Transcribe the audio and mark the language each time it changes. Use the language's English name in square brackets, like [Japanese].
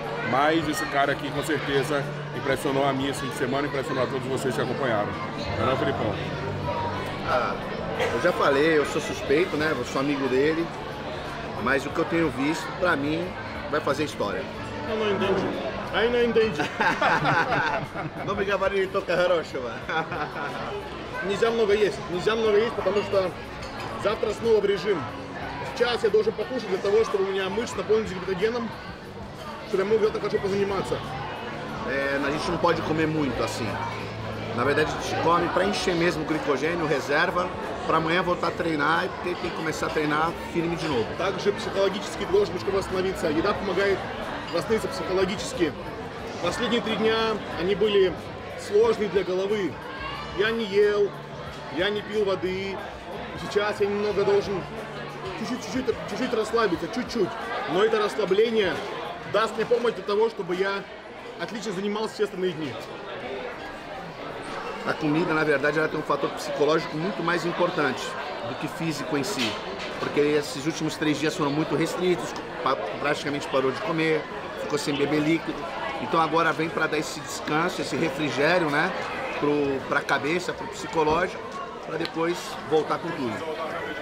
[Portuguese] Mas esse cara aqui, com certeza, impressionou a mim esse fim de semana, impressionou a todos vocês que acompanharam. Não é, Felipão? Eu já falei, eu sou suspeito, né? Eu sou amigo dele, mas o que eu tenho visto, pra mim, vai fazer história. Eu não entendi. Aí não entendi. Não me gabarito de tocar rocha, mano. Nizam não veio isso, [Russian] потому что завтра снова в режим. Сейчас я должен покушать для того, чтобы у меня мышцы наполнились гликогеном, чтобы я мог где-то хорошо позаниматься. [Portuguese] A gente não pode comer muito assim. Na verdade, a gente come pra encher mesmo o glicogênio, reserva. Para amanhã voltar a treinar e tem que começar a treinar firme de novo. [Russian] Также психологически должен быть, чтобы восстановиться. Еда помогает восстановиться психологически. Последние 3 дня они были сложные для головы. Я не ел, я не пил воды. Сейчас я немного должен чуть-чуть расслабиться, чуть-чуть. Но это расслабление даст мне помощь для того, чтобы я отлично занимался все остальные дни. [Portuguese] A comida, na verdade, ela tem um fator psicológico muito mais importante do que físico em si. Porque esses últimos 3 dias foram muito restritos, praticamente parou de comer, ficou sem beber líquido. Então agora vem para dar esse descanso, esse refrigério, né? Para a cabeça, para o psicológico, para depois voltar com tudo.